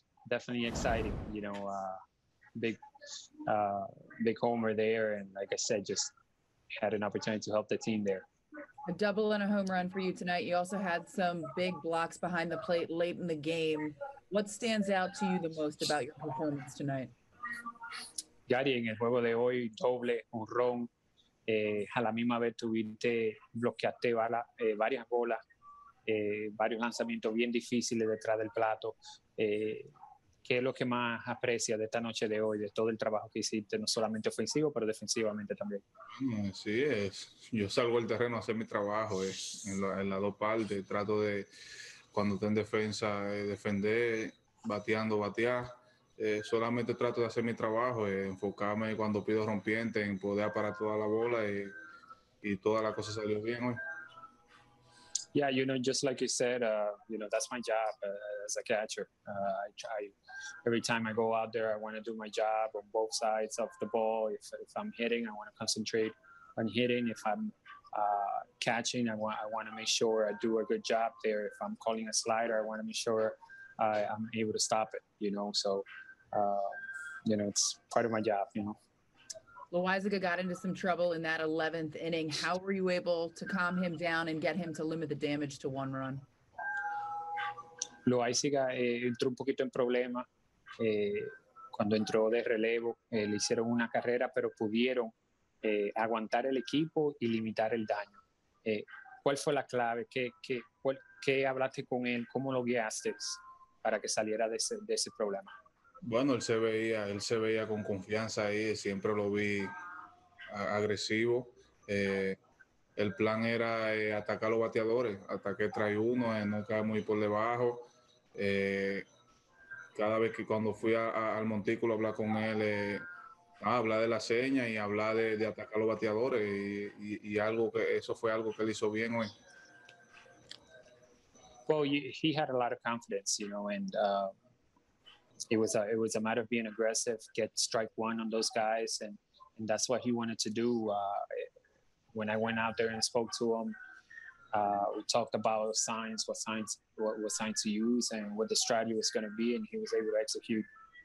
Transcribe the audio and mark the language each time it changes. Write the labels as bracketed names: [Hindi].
[English] Definitely exciting, you know, big homer there. And like I said, just had an opportunity to help the team there. A double and a home run for you tonight. You also had some big blocks behind the plate late in the game. What stands out to you the most about your performance tonight? [Spanish] Ya en el juego de hoy, doble, un ron. A la misma vez tuviste, bloqueaste varias bolas, varios lanzamientos bien difíciles detrás del plato. ¿Qué es lo que más aprecia de esta noche de hoy, de todo el trabajo que hiciste, no solamente ofensivo, pero defensivamente también? Sí, es. Yo salgo al terreno a hacer mi trabajo, en la dos partes. Trato de, cuando estoy en defensa, defender, batear. Solamente trato de hacer mi trabajo, enfocarme cuando pido rompiente, en poder parar toda la bola y toda la cosa salió bien hoy. [English] Yeah, you know, just like you said, you know, that's my job as a catcher. I every time I go out there, I want to do my job on both sides of the ball. If I'm hitting, I want to concentrate on hitting. If I'm catching, I want to make sure I do a good job there. If I'm calling a slider, I want to make sure I'm able to stop it, you know. So, you know, it's part of my job, you know. Loaizaga got into some trouble in that 11th inning. How were you able to calm him down and get him to limit the damage to one run? [Spanish] Loaizaga entró un poquito en problema. Cuando entró de relevo, le hicieron una carrera, pero pudieron aguantar el equipo y limitar el daño. ¿Cuál fue la clave? ¿Qué hablaste con él? ¿Cómo lo guiaste para que saliera de ese problema? Bueno, él se veía con confianza ahí, siempre lo vi agresivo. El plan era atacar a los bateadores, ataqué trae uno, no cae muy por debajo. Cada vez que cuando fui al montículo a hablar con él, hablar de la seña y hablar de atacar a los bateadores y algo que eso fue algo que él hizo bien hoy. [English] Well, he had a lot of confidence, you know, and it was a matter of being aggressive, get strike one on those guys, and that's what he wanted to do. When I went out there and spoke to him, we talked about signs, what signs to use, and what the strategy was going to be, and he was able to execute